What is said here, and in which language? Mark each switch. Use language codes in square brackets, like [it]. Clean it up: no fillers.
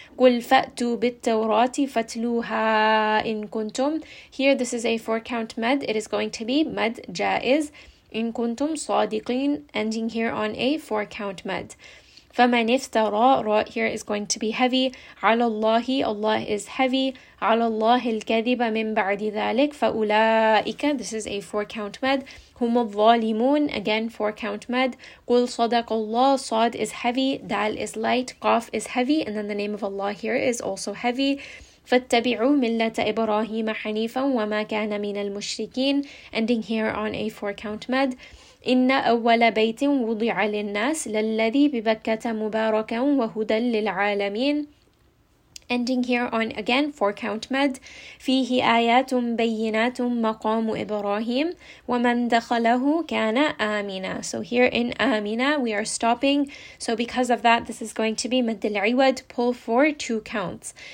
[ar] Qul fa'tu bit-tawrati fatluha in kuntum. [en] Here this is a four count mad. It is going to be mad ja'iz. [ar] In kuntum sadiqin, [en] ending here on a four count mad. [ar] فمن افترى راء [en] here is going to be heavy. [ar] على الله [en] Allah is heavy. [ar] على الله الكذب من بعد ذلك فأولئك [en] this is a four count med. [ar] هم الظالمون [en] again four count med. [ar] قل صدق الله صاد [en] is heavy. دال is light. قاف is heavy. And then the name of Allah here is also heavy. [ar] فاتبعوا ملة إبراهيم حنيفا وما كان من المشركين [en] ending here on a four count med. [ar] إن أول بيت وضع للناس للذي ببكة مباركا وهدى للعالمين [en] ending here on again four count med [ar] فيه آيات بينات مقام إبراهيم ومن دخله كان آمنا [en] so here in [ar] آمنا [en] we are stopping so because of that this is going to be [ar] مد العود [en] pull for two counts